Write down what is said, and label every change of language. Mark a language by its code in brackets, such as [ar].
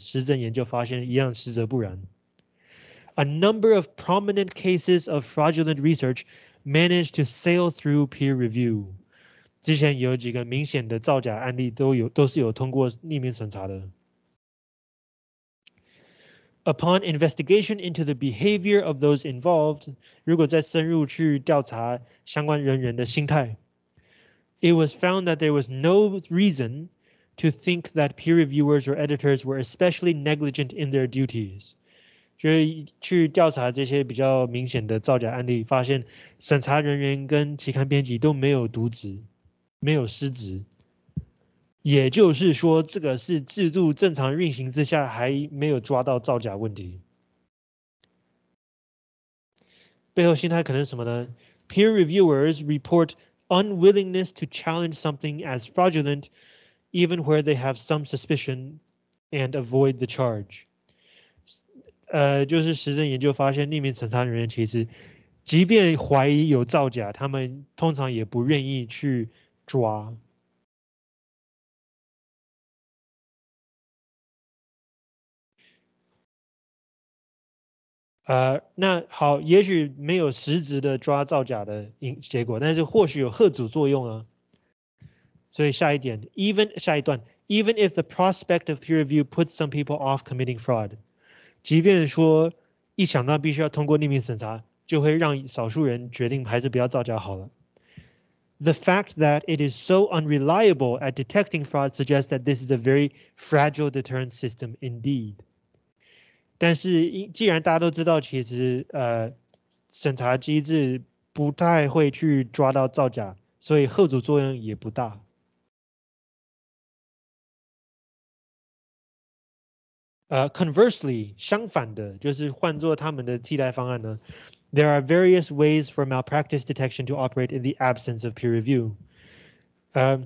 [zh] 实证研究发现一样，实则不然。 [en] A number of prominent cases of fraudulent research managed to sail through peer review。 [zh] 之前有几个明显的造假案例都是有通过匿名审查的。 [en] Upon investigation into the behavior of those involved， [zh] 如果再深入去调查相关人员的心态 [en] ，it was found that there was no reason to think that peer reviewers or editors were especially negligent in their duties。 [zh] 就是去调查这些比较明显的造假案例，发现审查人员跟期刊编辑都没有渎职，没有失职。也就是说，这个是制度正常运行之下还没有抓到造假问题。背后心态可能是什么呢 [en] ？Peer reviewers report unwillingness to challenge something as fraudulent, even where they have some suspicion, and avoid the charge。 [zh] 就是实证研究发现，匿名审查人员其实，即便怀疑有造假，他们通常也不愿意去抓。那好，也许没有实质的抓造假的结果，但是或许有吓阻作用啊。所以下一点 ，even 下一段 ， [en] even if the prospect of peer review puts some people off committing fraud， [zh] 即便说一想到必须要通过匿名审查，就会让少数人决定还是不要造假好了。 [en] The fact that it is so unreliable at detecting fraud suggests that this is a very fragile deterrent system indeed。 [zh] 但是既然大家都知道其实审查机制不太会去抓到造假，所以吓阻作用也不大。 [en] Conversely, [zh] 相反的就是换作他们的替代方案呢， [en] There are various ways for malpractice detection to operate in the absence of peer review.